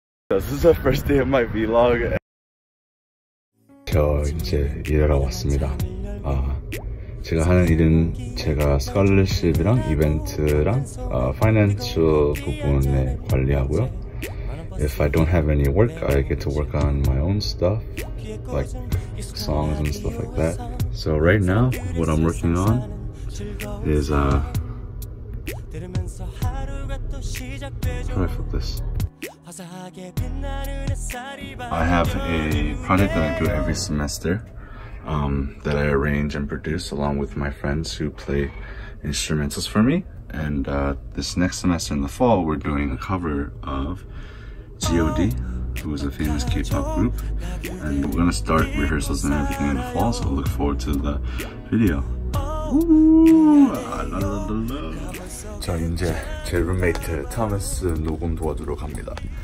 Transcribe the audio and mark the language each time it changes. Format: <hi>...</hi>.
<en>This is the first day of my vlog.</en> <ko>저 이제 일하러 왔습니다. 제가 하는 일은 제가 스칼러십이랑 이벤트랑 파이낸셜 부분에 관리하고요.</ko> <en>If I don't have any work, I get to work on my own stuff, like songs and stuff like that. So right now, what I'm working on is how do I flip this? I have a project that I do every semester. That I arrange and produce along with my friends who play instrumentals for me. And this next semester in the fall, we're doing a cover of G.O.D, who is a famous K-pop group. And we're gonna start rehearsals and everything in the fall, so I look forward to the video. Woo!</en> <ko>자, 이제 제 룸메이트 타마스 녹음 도와주러 갑니다.</ko>